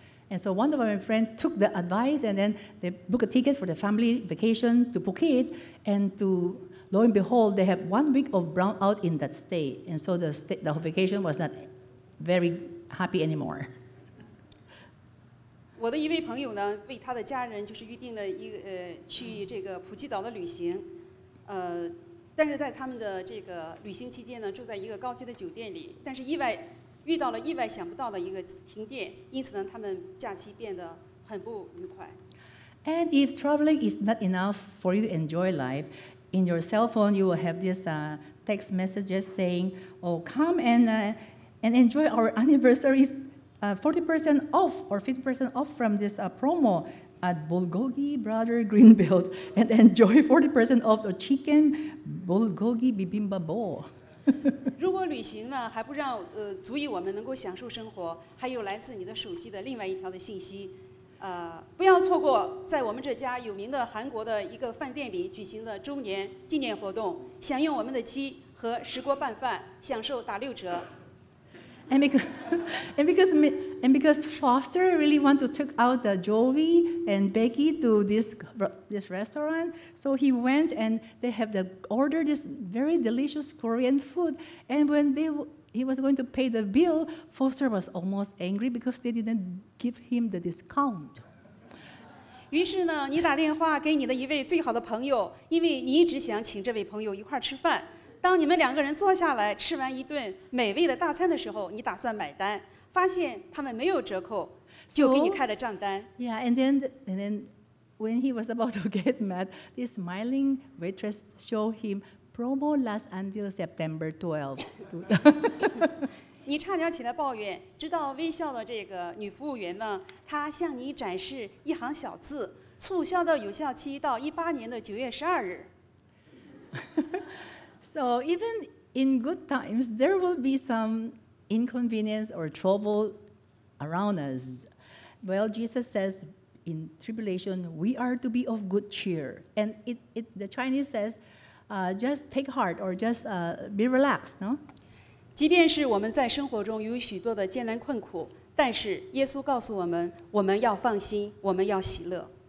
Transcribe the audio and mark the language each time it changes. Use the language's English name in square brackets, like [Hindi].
[English] And so one of my friends took the advice and then they booked a ticket for the family vacation to Phuket. And to lo and behold, they have 1 week of brownout in that stay. And so the vacation was not very happy anymore. [Chinese] 我的一位朋友呢，为他的家人就是预定了去这个普吉岛的旅行。但是在他们的这个旅行期间呢，住在一个高级的酒店里，但是遇到了意外想不到的一个停电，因此呢，他们假期变得很不愉快。 [English] And if traveling is not enough for you to enjoy life, in your cell phone you will have this text messages saying, "Oh, come and enjoy our anniversary, 40% off or 50% off from this promo at Bulgogi Brother Greenbelt, and enjoy 40% off the chicken Bulgogi Bibimbap Bowl." [Chinese] 如果旅行呢还不让足以我们能够享受生活，还有来自你的手机的另外一条的信息，不要错过在我们这家有名的韩国的一个饭店里举行的周年纪念活动，享用我们的鸡和石锅拌饭，享受打六折。 [English] And because Foster really want to take out Joey and Becky to this restaurant, so he went and they have the order this very delicious Korean food. And when he was going to pay the bill, Foster was almost angry because they didn't give him the discount. [Chinese] 于是呢，你打电话给你的一位最好的朋友，因为你一直想请这位朋友一块吃饭。当你们两个人坐下来吃完一顿美味的大餐的时候，你打算买单，发现他们没有折扣，就给你开了账单。 [English] So, yeah, and then when he was about to get mad, this smiling waitress showed him promo lasts until September 12th. [Chinese] 你差点起来抱怨，直到微笑的这个女服务员呢，她向你展示一行小字：促销的有效期到18年的9月12日。 [English] So even in good times, there will be some inconvenience or trouble around us. Well, Jesus says in tribulation, we are to be of good cheer. And it the Chinese says, just take heart or just be relaxed, no? [Chinese] 即便是我们在生活中有许多的艰难困苦，但是耶稣告诉我们，我们要放心，我们要喜乐。